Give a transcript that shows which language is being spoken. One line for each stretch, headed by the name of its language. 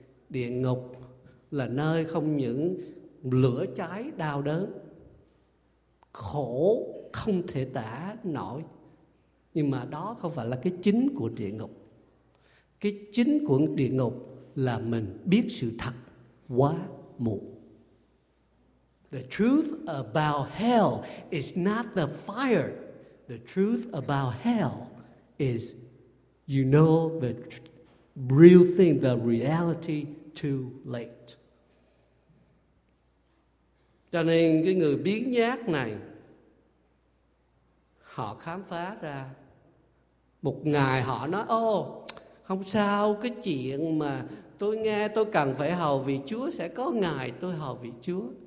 Vietnamese: Địa ngục là nơi không những lửa cháy đau đớn, khổ không thể tả nổi, nhưng mà đó không phải là cái chính của địa ngục. Cái chính của địa ngục là mình biết sự thật quá muộn.
English: The truth about hell is not the fire. The truth about hell is you know the real thing, the reality too late.
Vietnamese: Cho nên cái người biến nhát này, họ khám phá ra một ngày họ nói: ô, không sao, cái chuyện mà tôi nghe tôi cần phải hầu vì Chúa, sẽ có ngày tôi hầu vì Chúa.